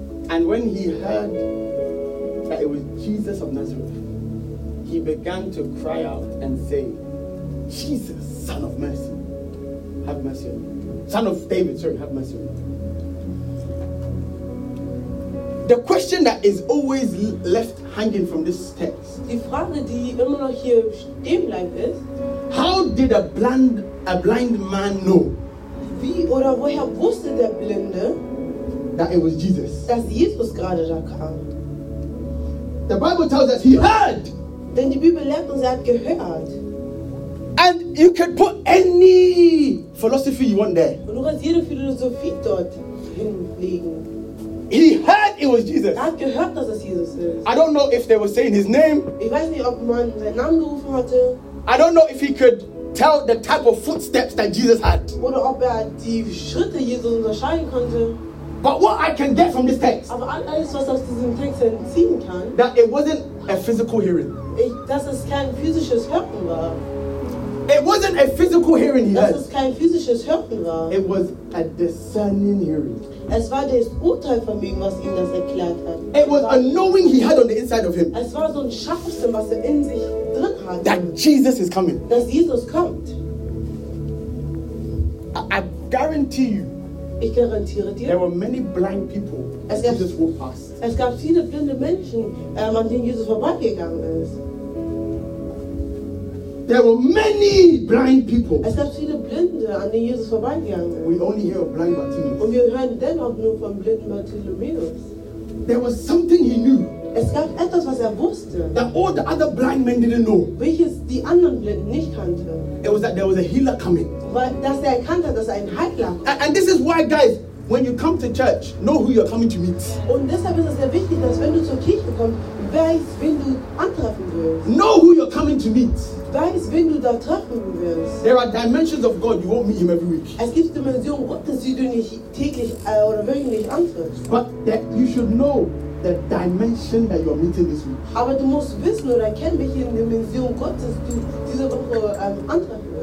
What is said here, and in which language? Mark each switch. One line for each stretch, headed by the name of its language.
English: And when he heard that it was Jesus of Nazareth, he began to cry out and say, Jesus, son of mercy, have mercy on me. Son of David, sorry, have mercy on me. The question that is always left hanging from this text.
German: Die Frage, die immer noch hier stehen bleibt, ist,
English: how did a blind man know?
German: Wie oder woher wusste der Blinde,
English: that it was Jesus?
German: Dass Jesus gerade da kam.
English: The Bible tells us he heard.
German: Denn die Bibel lehrt uns, er hat gehört.
English: And you can put any philosophy you want there.
German: Und du kannst jede Philosophie dort hinlegen.
English: He heard it was Jesus.
German: Er hat gehört, dass es Jesus ist.
English: I don't know if they were saying his name.
German: Ich weiß nicht, ob man seinen Namen gerufen hatte.
English: I don't know if he could tell the type of footsteps that Jesus had.
German: Oder ob er die Schritte Jesus unterscheiden konnte.
English: But what I can get from this text.
German: Aber alles, was aus diesem Text entziehen kann.
English: That it wasn't a physical hearing.
German: Dass es kein physisches Hören war.
English: It wasn't a physical hearing he had.
German: Dass es kein physisches Hören war.
English: It was a discerning hearing.
German: Es war das Urteil von ihm, was ihm das erklärt hat.
English: It was a knowing he had on the inside of him.
German: Es war so ein Schaffsten, was er in sich drin hatte.
English: That Jesus is coming.
German: Dass Jesus kommt.
English: I guarantee you.
German: Ich garantiere dir.
English: There were many blind people.
German: Es gab,
English: Jesus walked past.
German: Es gab viele blinde Menschen, an denen Jesus vorbeigegangen ist.
English: There were many blind people.
German: Es gab viele Blinde, an denen Jesus vorbeigegangen ist.
English: We only hear of blind Bartimaeus.
German: Und wir hören dennoch nur von blinden Bartimaeus.
English: There was something he knew.
German: Es gab etwas, was wusste.
English: That all the other blind men didn't know.
German: Welches die anderen Blinden nicht kannten.
English: It was that there was a healer coming.
German: Weil dass erkannt hat, dass ein Heiler kommt.
English: And this is why, guys, when you come to church, know who you're coming to meet.
German: Und deshalb ist es sehr wichtig, dass wenn du zur Kirche kommst, weißt, wen du antreffen willst.
English: Know who you're coming to meet.
German: Weißt, wen du da treffen willst.
English: There are dimensions of God, you won't meet him every week.
German: Es gibt Dimensionen Gottes, die du nicht täglich oder wöchentlich antriffst.
English: But that you should know the dimension that you are meeting this week.
German: Aber du musst wissen oder kennen, welche Dimension Gottes du diese Woche antreffen willst.